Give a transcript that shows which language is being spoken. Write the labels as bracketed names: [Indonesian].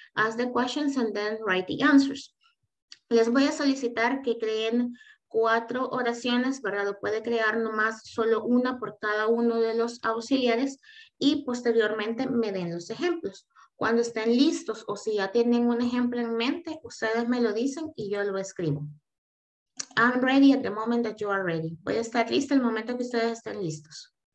[English] Ask the questions and then write the answers. [Spanish] Les voy a solicitar que creen cuatro oraciones, ¿verdad? O puede crear nomás solo una por cada uno de los auxiliares y posteriormente me den los ejemplos. Cuando estén listos o si ya tienen un ejemplo en mente, ustedes me lo dicen y yo lo escribo. [English] I'm ready at the moment that you are ready. [Spanish] Voy a estar lista el momento que ustedes estén listos.